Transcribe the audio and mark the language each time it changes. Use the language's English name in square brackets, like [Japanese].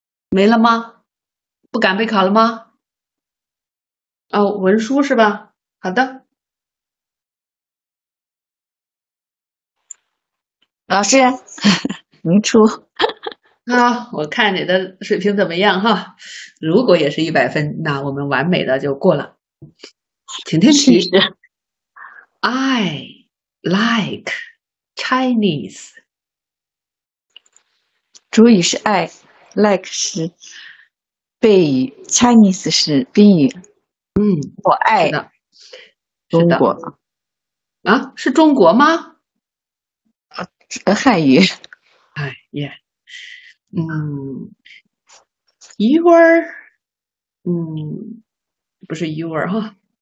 [Chinese] 没了吗？不敢备考了吗？哦，文书是吧？好的。老师，您出。啊，我看你的水平怎么样哈？如果也是100分，那我们完美的就过了。请听题 [English] ，I like Chinese。 [Chinese] 主语是 I， like 是谓语 ，Chinese 是宾语。嗯，我爱的中国的。啊，是中国吗？汉语。哎耶，your， 不是 your 哈。